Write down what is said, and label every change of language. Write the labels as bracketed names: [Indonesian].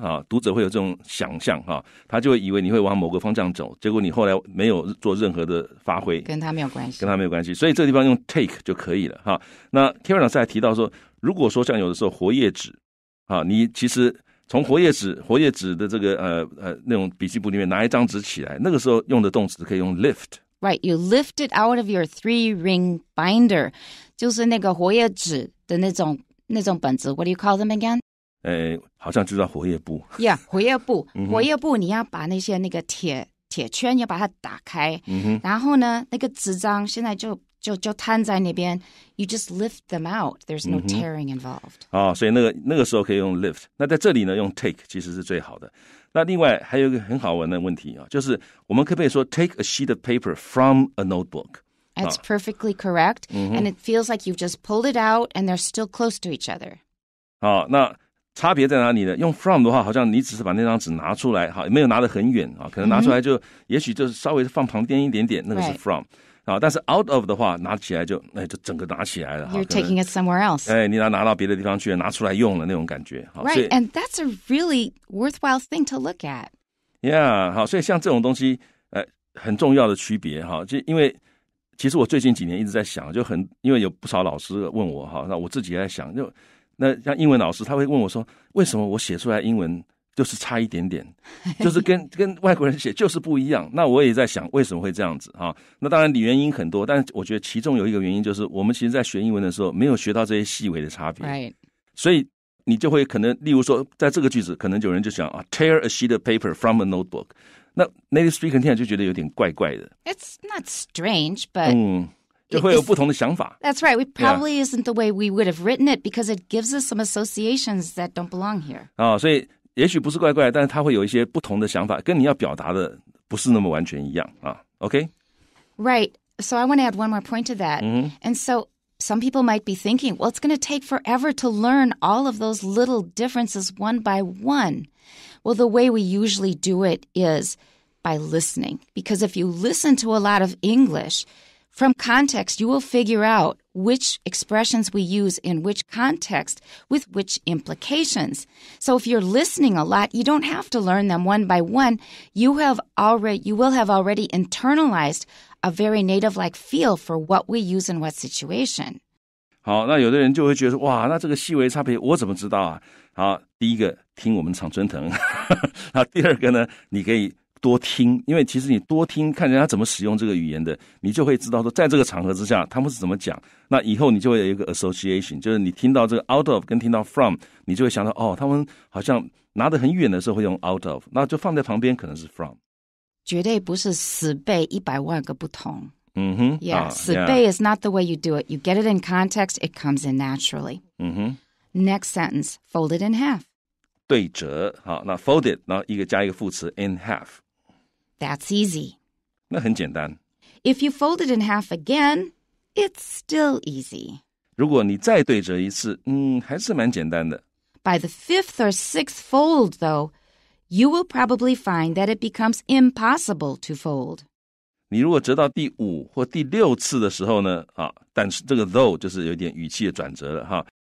[Chinese] 啊，读者会有这种想象啊，他就会以为你会往某个方向走，结果你后来没有做任何的发挥，跟他没有关系，跟他没有关系。所以这个地方用 take 就可以了哈、啊。那 Karen 老师还提到说，如果说像有的时候活页纸啊，你其实从活页纸的这个那种笔记簿里面拿一张纸起来，那个时候用的动词可以用 lift。 [English] Right, you lift it out of your three-ring binder. [Chinese] 就是那个活页纸的那种本子。 [English] What do you call them again? [Chinese] 好像就叫活页簿。 Yeah, 活页簿。Mm-hmm. 活页簿你要把那些那个铁圈要把它打开。 Mm-hmm. 然后呢那个纸张现在就摊在那边。 [English] You just lift them out. There's no tearing involved.、 [Chinese] Mm-hmm. 所以那个时候可以用 lift. 那在这里呢用 take 其实是最好的。那另外还有一个很好玩的问题啊，就是我们可不可以说 [English] take a sheet of paper from a notebook? That's perfectly correct,、 mm-hmm. and it feels like you've just pulled it out, and they're still close to each other. [Chinese] 好，那差别在哪里呢？用 from 的话，好像你只是把那张纸拿出来，好，没有拿得很远啊，可能拿出来就、mm-hmm. 也许就稍微放旁边一点点，那个是 from、 [English] right. [Chinese] 啊，但是 out of 的话，拿起来就哎就整个拿起来了。 [English] You're taking it somewhere else. [Chinese] 哎，你拿到别的地方去，拿出来用了那种感觉。 [English] Right, and that's a really worthwhile thing to look at. [Chinese] Yeah, 好，所以像这种东西，很重要的区别哈，就因为。其实我最近几年一直在想，就很因为有不少老师问我哈，那我自己也在想，就那像英文老师他会问我说，为什么我写出来英文就是差一点点，就是跟外国人写就是不一样？那我也在想为什么会这样子哈。那当然原因很多，但我觉得其中有一个原因就是我们其实在学英文的时候没有学到这些细微的差别， [English] right. [Chinese] 所以你就会可能例如说在这个句子，可能有人就想啊 ， [English] tear a sheet of paper from a notebook。 [Chinese] 那 native speaker 听就觉得有点怪怪的。 [English] It's not strange, but [Chinese] 就会有不同的想法。 [English] That's right. We probably、yeah. isn't the way we would have written it because it gives us some associations that don't belong here. [Chinese] 啊、哦，所以也许不是怪怪，但是它会有一些不同的想法，跟你要表达的不是那么完全一样啊。 [English] OK. Right. So I want to add one more point to that.、 Mm-hmm. And so some people might be thinking, well, it's going to take forever to learn all of those little differences one by one. Well, the way we usually do it is by listening. Because if you listen to a lot of English, from context, you will figure out which expressions we use in which context with which implications. So if you're listening a lot, you don't have to learn them one by one. You will have already internalized a very native-like feel for what we use in what situation. [Chinese] 好，那有的人就会觉得，哇，那这个细微差别我怎么知道啊？好，第一个听我们常春藤，那第二个呢，你可以多听，因为其实你多听看人家怎么使用这个语言的，你就会知道说在这个场合之下他们是怎么讲，那以后你就会有一个 association， 就是你听到这个 out of 跟听到 from， 你就会想到哦，他们好像拿得很远的时候会用 out of， 那就放在旁边可能是 from，绝对不是十倍一百万个不同。嗯哼， [English] yeah， [Chinese] 十倍 [English] is not the way you do it， you get it in context， it comes in naturally。嗯哼， Next sentence, fold it in half. [Chinese] 对折，好，那 [English] fold it, [Chinese] 然后一个加一个副词 [English] in half. That's easy. [Chinese] 那很简单。 [English] If you fold it in half again, it's still easy. [Chinese] 如果你再对折一次，还是蛮简单的。 [English] By the fifth or sixth fold, though, you will probably find that it becomes impossible to fold. [Chinese] 你如果折到第五或第六次的时候呢，啊，但是这个 though 就是有点语气的转折了，哈。